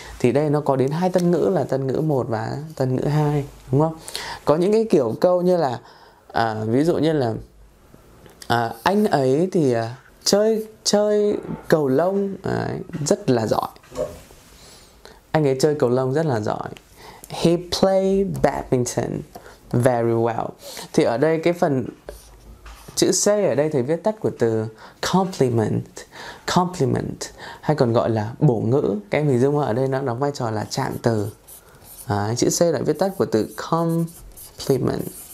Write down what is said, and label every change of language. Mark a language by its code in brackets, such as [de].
[vi] Thì đây nó có đến hai tân ngữ là tân ngữ 1 và tân ngữ 2, đúng không? Có những cái kiểu câu như là ví dụ như là anh ấy thì chơi cầu lông rất là giỏi. Anh ấy chơi cầu lông rất là giỏi. [en] He played badminton very well. [vi] Thì ở đây cái phần chữ C ở đây thì viết tắt của từ compliment. Compliment hay còn gọi là bổ ngữ. Các em hình dung không? Ở đây nó đóng vai trò là trạng từ. Chữ C là viết tắt của từ compliment.